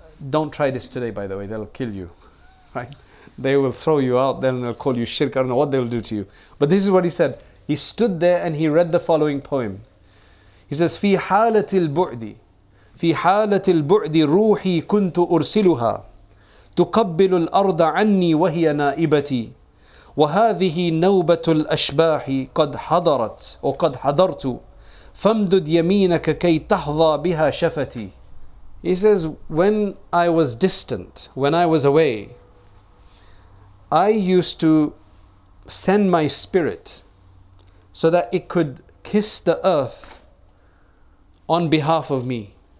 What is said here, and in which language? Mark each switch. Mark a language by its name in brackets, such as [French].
[English] Don't try this today, by the way, they'll kill you, right? They will throw you out, then they'll call you shirk, I don't know what they'll do to you. But this is what he said. He stood there and he read the following poem. He says, [Arabic] في حالة البعد في حالة البعد روحي كنت أرسلها تقبل الأرض عني وهي نائبتي وهذه نوبة الأشباح قد حضرت وقد حضرت فامدد يمينك كي تحظى بها شفتي. [English] He says, when I was distant, when I was away, I used to send my spirit so that it could kiss the earth on behalf of me.